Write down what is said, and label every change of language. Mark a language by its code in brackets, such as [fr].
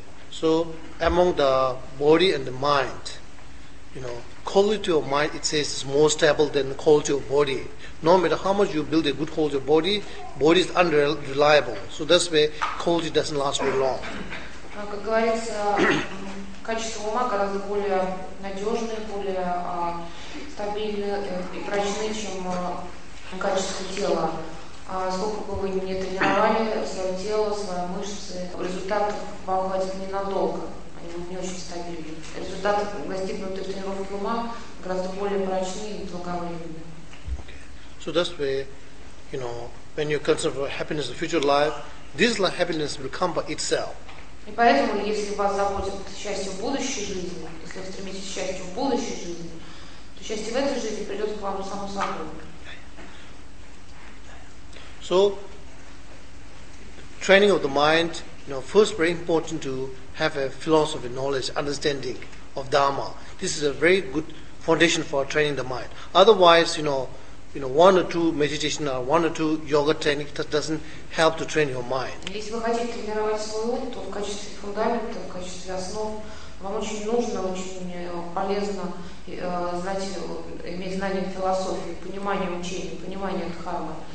[en] So, among the body and the mind, you know, quality of mind, it says, is more stable than the quality of body. No matter how much you build a good quality of body, body is unreliable. So that's why quality doesn't last very long. [ru] Как говорится, качество ума гораздо более надежное, более стабильное и прочное, чем качество тела. Сколько бы вы ни тренировали свое тело, свои мышцы, результат вам хватит ненадолго, они не очень стабильны. Результат достигнутой тренировки ума гораздо более прочный и долговременный. Okay. [en] So that's why, you know, when you consider for happiness in future life, this life happiness will come by itself. [ru] И поэтому, если вас заботит счастье в будущей жизни, если вы стремитесь к счастью в будущей жизни, то счастье в этой жизни придет к вам само собой. [en] So, training of the mind, you know, first very important to have a philosophy, knowledge, understanding of Dharma. This is a very good foundation for training the mind. Otherwise, you know, one or two meditation or one or two yoga technique that doesn't help to train your mind. [ru] Если вы хотите тренировать свой ум, то в качестве фундамента, в качестве основ, вам очень нужно, очень полезно иметь знание философии, понимание учения, понимание дхармы.